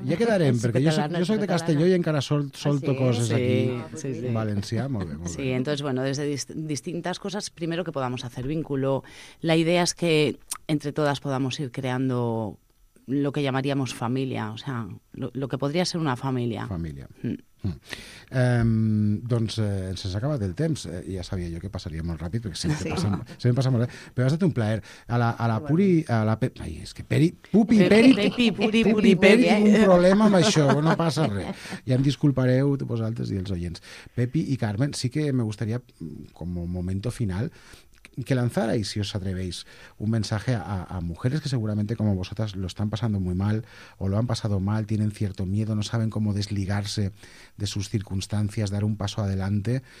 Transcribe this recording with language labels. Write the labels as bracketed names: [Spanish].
[Spanish] Ya quedaré, porque yo soy de Castelló y [Catalan] encara solto [Spanish] cosas sí, aquí. Sí, sí. [Catalan] Valencià, molt bé, molt sí, bé. [Spanish] Sí, entonces, bueno, desde distintas cosas, primero que podamos hacer vínculo. La idea es que entre todas podamos ir creando lo que llamaríamos familia, o sea, lo que podría ser una familia. Familia. [Catalan] Doncs se'ns ha acabat el temps, ja sabia jo que passaria molt ràpid perquè sempre passa molt bé, però ha estat un plaer a la Puri, a la Pepi, ai, és que Peri, Pupi, Peri, Puri, Peri, un problema amb això, no passa res, ja em disculpareu vosaltres i els oients. [Spanish] Pepi i Carmen, sí que me gustaría com a momento final que lanzarais, si os atrevéis, un mensaje a mujeres que seguramente como vosotras lo están pasando muy mal o lo han pasado mal, tienen cierto miedo, no saben cómo desligarse de sus circunstancias, dar un paso adelante.